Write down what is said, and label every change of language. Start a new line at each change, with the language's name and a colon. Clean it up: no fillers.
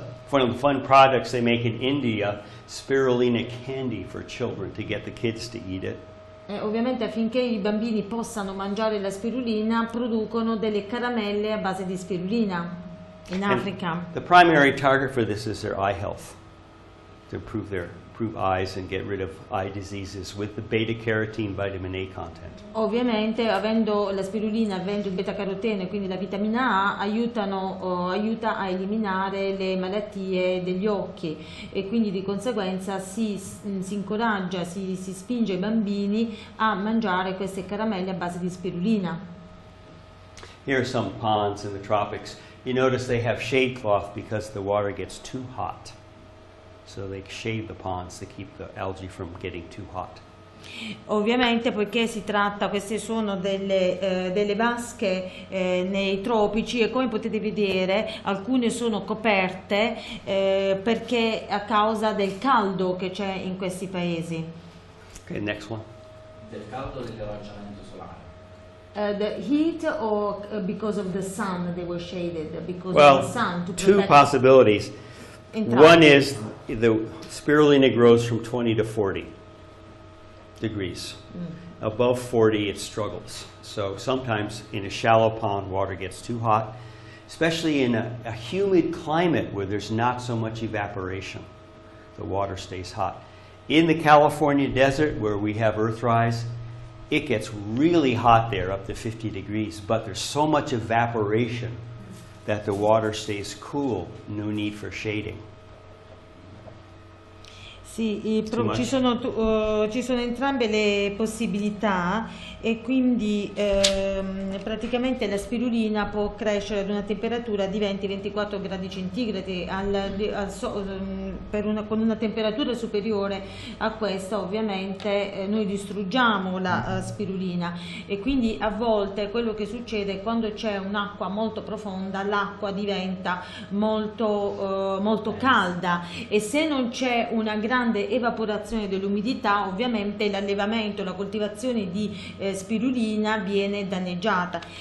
English: One of the fun products they make in India, spirulina candy for children to get the kids to eat it.
Italian: Ovviamente affinché i bambini possano mangiare la spirulina, producono delle caramelle a base di spirulina in Africa.
English: The primary target for this is their eye health, to improve their eyes and get rid of eye diseases with the beta carotene vitamin A content.
Italian: Ovviamente, avendo la spirulina, avendo il beta carotene, quindi la vitamina A, aiuta a eliminare le malattie degli occhi, e quindi di conseguenza si spinge i bambini a mangiare queste caramelle a base di spirulina.
English: Here are some ponds in the tropics. You notice they have shade cloth because the water gets too hot. So they shade the ponds to keep the algae from getting too hot.
Italian: Ovviamente, poiché si tratta, queste sono delle vasche nei tropici, e come potete vedere, alcune sono coperte perché a causa del caldo che c'è in questi paesi.
English: Okay, next one.
Italian: Del caldo e dell'arrangiamento solare.
English: The heat or because of the sun they were shaded because well, of the sun. Well, two possibilities. One is the spirulina grows from 20 to 40 degrees. Mm. Above 40, it struggles. So sometimes in a shallow pond, water gets too hot, especially in a humid climate where there's not so much evaporation. The water stays hot. In the California desert where we have earthrise, it gets really hot there, up to 50 degrees, but there's so much evaporation that the water stays cool, no need for shading.
Italian: Sì, ci sono entrambe le possibilità, e quindi praticamente la spirulina può crescere ad una temperatura di 20-24 gradi centigradi, con una temperatura superiore a questa ovviamente noi distruggiamo la spirulina, e quindi a volte quello che succede quando c'è un'acqua molto profonda, l'acqua diventa molto, molto calda, e se non c'è una grande evaporazione dell'umidità ovviamente l'allevamento, la coltivazione di spirulina viene danneggiata.